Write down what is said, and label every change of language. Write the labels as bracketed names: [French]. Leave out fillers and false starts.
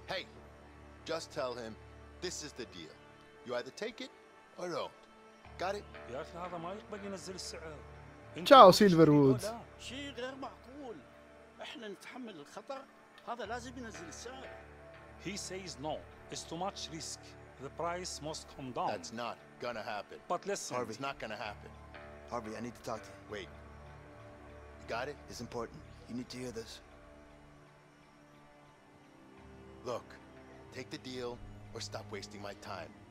[English] hey just tell him this is the deal you either take it or don't got it [Arabic] يا أخي هذا ما يقبل ينزل السعر تشاو سيلفروودز شيء غير معقول احنا نتحمل الخطر هذا لازم ينزل السعر [English] he says no it's too much risk the price must come down that's not gonna happen but listen Harvey. It's not gonna happen Harvey I need to talk to you wait Got it? It's important. You need to hear this. Look, take the deal or stop wasting my time.